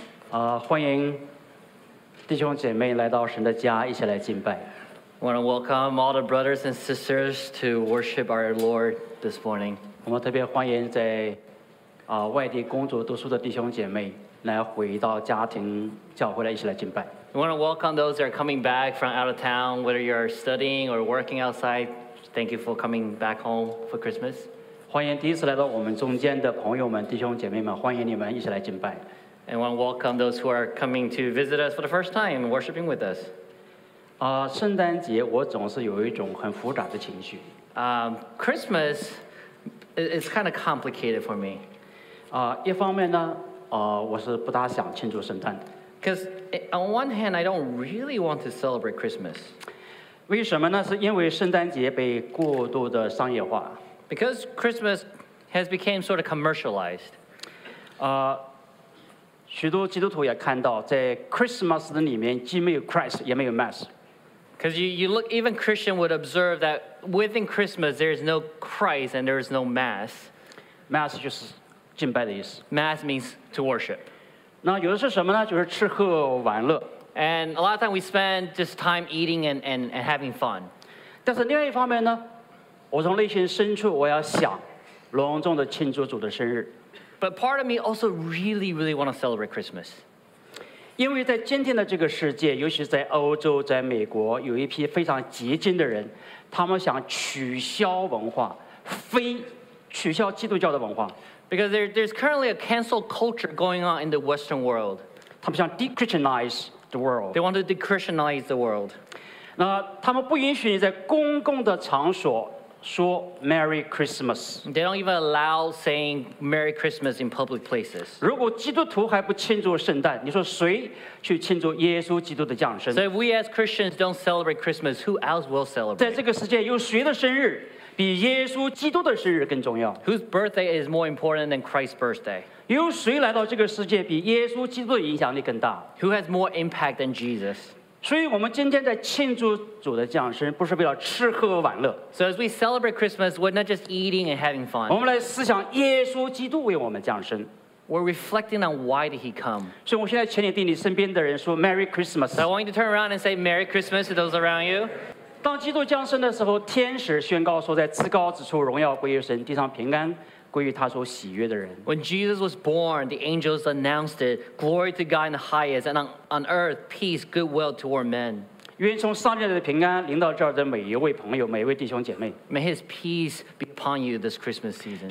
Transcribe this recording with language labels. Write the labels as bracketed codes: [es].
[zh] 啊，欢迎弟兄姐妹来到神的家，一起来敬拜。 [en] I want to welcome all the brothers and sisters to worship our Lord this morning. [zh] 我们特别欢迎在啊外地工作读书的弟兄姐妹来回到家庭教会来一起来敬拜。 [en] We want to welcome those that are coming back from out of town, whether you're studying or working outside. Thank you for coming back home for Christmas. [zh] 欢迎第一次来到我们中间的朋友们、弟兄姐妹们，欢迎你们一起来敬拜。 [en] And want to welcome those who are coming to visit us for the first time and worshiping with us. [zh] 啊，圣诞节我总是有一种很复杂的情绪。 [en] Christmas is kind of complicated for me. [zh] 啊，一方面呢，我是不大想庆祝圣诞的。 [en] Because on one hand, I don't really want to celebrate Christmas. [zh] 为什么呢？是因为圣诞节被过度的商业化。 [en] Because Christmas has become sort of commercialized. [zh] 许多基督徒也看到在 Christmas 的里面既没有 Christ 也没有 Mass. [en] Because you look, even Christian would observe that within Christmas there is no Christ and there is no Mass. [zh] Mass 就是敬拜的意思。 [en] Mass means to worship. [zh] 那有的是什么呢？就是吃喝玩乐。 [en] And a lot of time we spend just time eating and having fun. [zh] 但是另外一方面呢？我从内心深处，我要想隆重的庆祝主的生日。 [en] But part of me also really, really want to celebrate Christmas. [zh] 因为在今天的这个世界，尤其在欧洲、在美国，有一批非常激进的人，他们想取消文化，非取消基督教的文化。 [en] Because there's currently a cancel culture going on in the Western world. [zh] 他们想 [en] de-Christianize the world. They want to de-Christianize the world. [zh] 那他们不允许你在公共的场所。说 [en] Merry Christmas. They don't even allow saying Merry Christmas in public places. [zh] 如果基督徒还不庆祝圣诞，你说谁去庆祝耶稣基督的降生？ [en] So if we as Christians don't celebrate Christmas, who else will celebrate? [zh] 在这个世界，有谁的生日比耶稣基督的生日更重要？ [en] Whose birthday is more important than Christ's birthday? [zh] 有谁来到这个世界比耶稣基督的影响力更大？ [en] Who has more impact than Jesus? [zh] 所以我们今天在庆祝主的降生，不是为了吃喝玩乐。 [en] So as we celebrate Christmas, we're not just eating and having fun. [zh] 我们来思想耶稣基督为我们降生。 [en] We're reflecting on why did he come. [zh] 所以我现在请你对你身边的人说 Merry Christmas. [en] So I want you to turn around and say Merry Christmas to those around you. [zh] 当基督降生的时候，天使宣告说，在至高之处荣耀归于神，地上平安。 [en] When Jesus was born, the angels announced it, glory to God in the highest, and on earth, peace, goodwill toward men. May his peace be upon you this Christmas season.